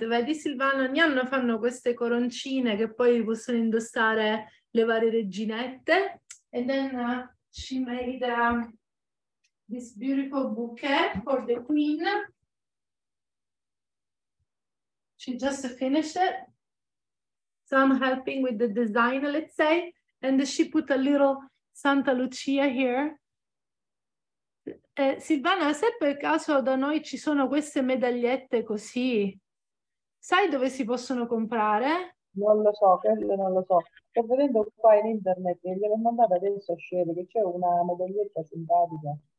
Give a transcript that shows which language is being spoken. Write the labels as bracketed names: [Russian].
[Italian] Vedi Silvano, ogni anno fanno queste coroncine che poi possono indossare le varie reginette. [English] And then she made this beautiful bouquet for the queen. She just finished it. So I'm helping with the design, let's say. And she put a little Santa Lucia here. [Italian] Silvana, se per caso da noi ci sono queste medagliette così, sai dove si possono comprare? Non lo so, quello non lo so. Sto vedendo qua in internet, gliel'ho mandata adesso a Sherry, che c'è una medaglietta simpatica.